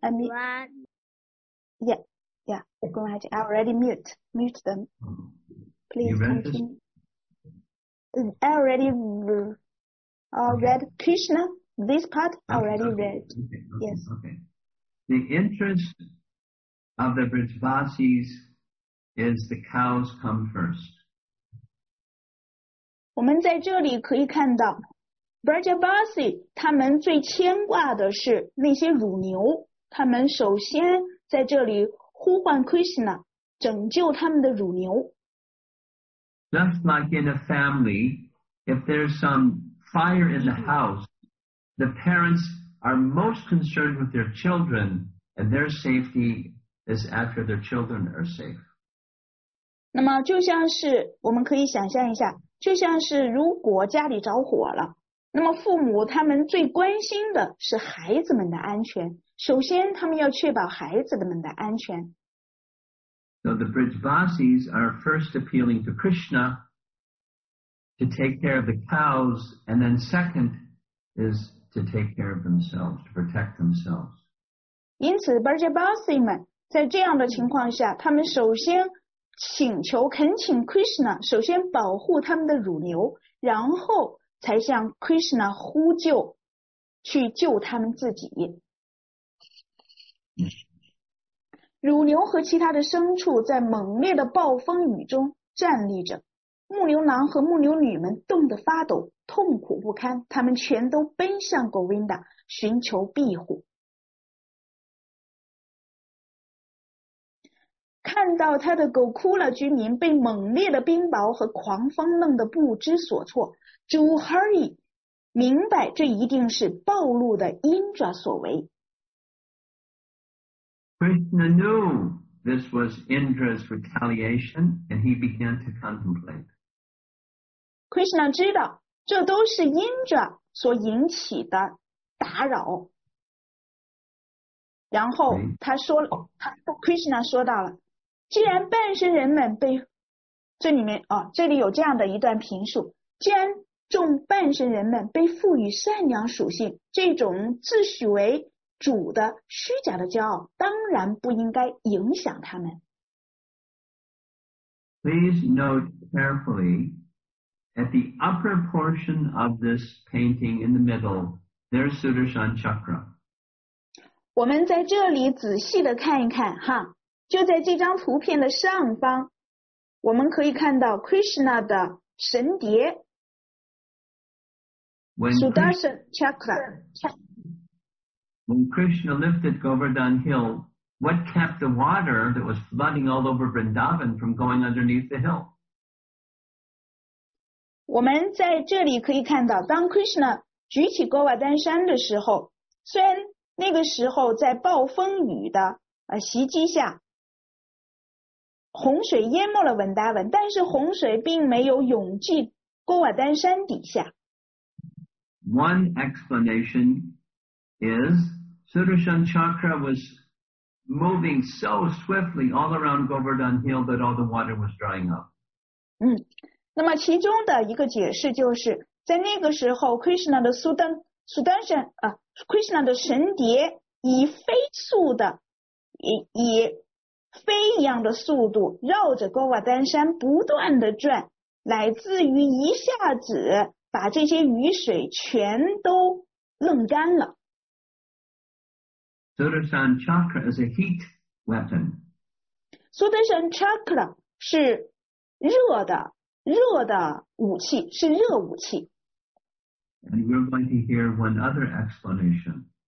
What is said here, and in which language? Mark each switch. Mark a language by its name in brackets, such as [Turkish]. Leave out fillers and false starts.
[English] Sorry, Gunaj, I already mute them. Please continue. I already read Krishna, this part already read. Yes. Okay. The interest of the Brijvasis is the cows come first. [Chinese] 我们在这里可以看到 Brijvasi 他们最牵挂的是那些乳牛，他们首先在这里呼唤 Krishna 拯救他们的乳牛。 [English] Just like in a family, if there's some fire in the house, the parents are most concerned with their children, and their safety is after their children are safe. [Chinese] 那么就像是我们可以想象一下，就像是如果家里着火了，那么父母他们最关心的是孩子们的安全，首先他们要确保孩子们的安全。 [English] So the Brijvasis are first appealing to Krishna to take care of the cows, and then second is to take care of themselves, to protect themselves. [Chinese] 因此 Brijvasi 们在这样的情况下，他们首先请求恳请 Krishna 首先保护他们的乳牛，然后才向 Krishna 呼救，去救他们自己。乳牛和其他的牲畜在猛烈的暴风雨中站立着，牧牛郎和牧牛女们冻得发抖，痛苦不堪，他们全都奔向 Govinda 寻求庇护。看到他的狗哭了居民被猛烈的冰雹和狂风弄得不知所措，主 Hari 明白这一定是暴露的 Indra 所为。 [English] Krishna knew this was Indra's retaliation, and he began to contemplate. [Chinese] Krishna 知道这都是 Indra 所引起的打扰。然后他说，他 Krishna 说到了，既然半身人们被这里面啊、哦，这里有这样的一段评述，既然众半身人们被赋予善良属性，这种自诩为主的虚假的骄傲当然不应该影响他们。 [English] Please note carefully at the upper portion of this painting in the middle, there's Sudarshan Chakra. [Chinese] 我们在这里仔细的看一看哈，就在这张图片的上方，我们可以看到 Krishna 的神碟。 [English] Sudarshan Chakra. When Krishna lifted Govardhan Hill, what kept the water that was flooding all over Vrindavan from going underneath the hill? [Chinese] 我们在这里可以看到，当 Krishna 举起 Govardhan 山的时候，虽然那个时候在暴风雨的袭击下，洪水淹没了 Vrindavan， 但是洪水并没有涌进 Govardhan 山底下。 [English] One explanation is Sudarshan Chakra was moving so swiftly all around Govardhan Hill that all the water was drying up. [Chinese] 那么其中的一个解释就是在那个时候 Krishna 的 Krishna 的神碟以飞速的 以飞一样的速度绕着 Govardhan 山不断的转，乃至于一下子把这些雨水全都弄干了。 [English] Sudarshan Chakra is a heat weapon. [Chinese] Sudarshan Chakra 是热的武器，是热武器。 [English] And we're going to hear one other explanation.